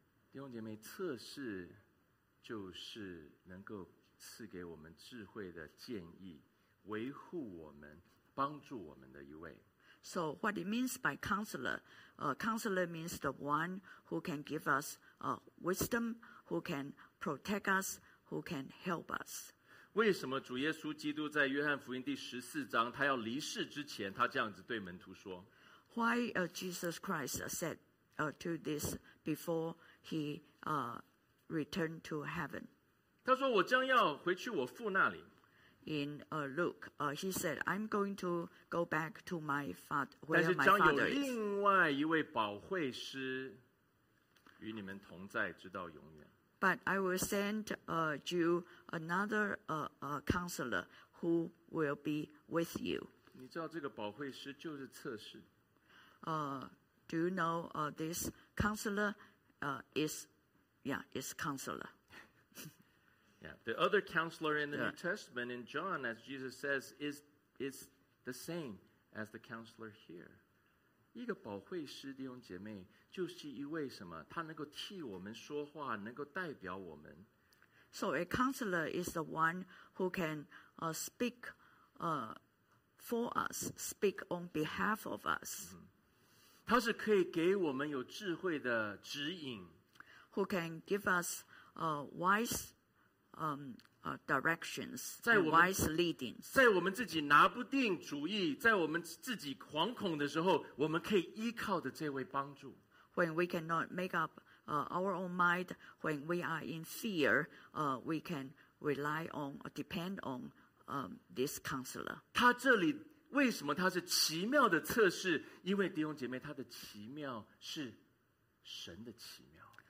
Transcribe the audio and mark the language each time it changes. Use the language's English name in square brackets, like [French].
[Chinese] 弟兄姐妹测试就是能够赐给我们智慧的建议维护我们帮助我们的一位 [English] So what it means by counselor counselor means the one who can give us wisdom who can protect us who can help us [Chinese] 为什么主耶稣基督在约翰福音第十四章他要离世之前他这样子对门徒说 [English] Why Jesus Christ said to this before he returned to heaven? [Chinese] 他说我将要回去我父那里。 [English] In Luke, he said, I'm going to go back to my father, where my father is. [Chinese] 但是将有另外一位保惠师与你们同在直到永远。 [English] But I will send you another counselor who will be with you. [Chinese] 你知道这个保惠师就是测试。 [English] Do you know this counselor is counselor. Yeah, the other counselor in the New Testament in John, as Jesus says, is the same as the counselor here. [Chinese] 一个保惠师弟兄姐妹就是一位什么他能够替我们说话能够代表我们。 [English] So a counselor is the one who can speak for us, speak on behalf of us. [Chinese] 他是可以给我们有智慧的指引。 [English] Who can give us wise directions, wise leadings. [Chinese] 在我们自己拿不定主意，在我们自己惶恐的时候，我们可以依靠的这位帮助。 [English] When we cannot make up our own mind, when we are in fear, we can rely on or depend on this counselor. [Chinese] 他这里为什么他是奇妙的测试？因为弟兄姐妹，他的奇妙是神的奇妙。